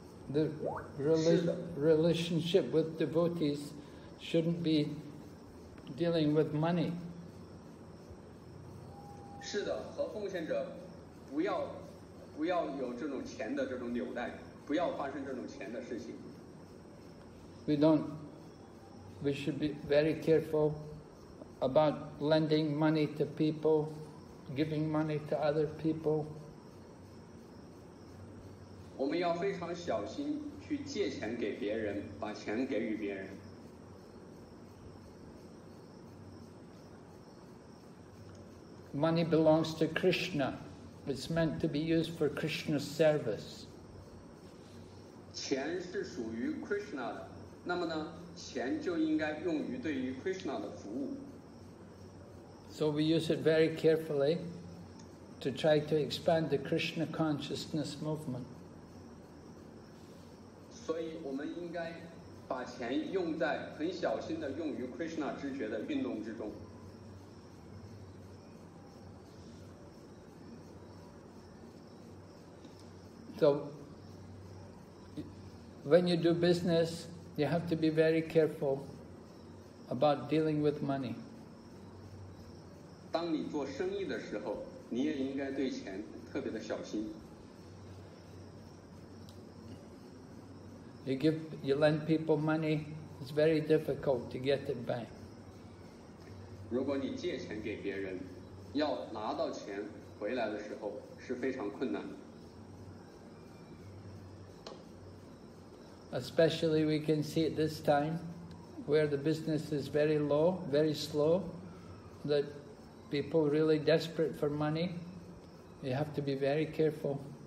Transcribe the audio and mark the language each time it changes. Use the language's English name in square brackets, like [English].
[English] The relationship with devotees shouldn't be dealing with money. [Chinese] 是的，和奉献者不要有这种钱的这种纽带，不要发生这种钱的事情。 [English] We should be very careful about lending money to people, giving money to other people. [Chinese] 我们要非常小心去借钱给别人，把钱给予别人。 [English] Money belongs to Krishna. It's meant to be used for Krishna's service. [Chinese] 钱是属于 Krishna 的，那么呢，钱就应该用于对于 Krishna 的服务。 [English] So we use it very carefully to try to expand the Krishna consciousness movement. [Chinese] 所以我们应该把钱用在很小心的用于 Krishna 知觉的运动之中。 [English] So, when you do business, you have to be very careful about dealing with money. [Chinese] 当你做生意的时候，你也应该对钱特别的小心。 [English] You lend people money, it's very difficult to get it back. [Chinese] 如果你借钱给别人，要拿到钱回来的时候是非常困难的。 [English] Especially we can see at this time, where the business is very low, very slow, that people really desperate for money, you have to be very careful.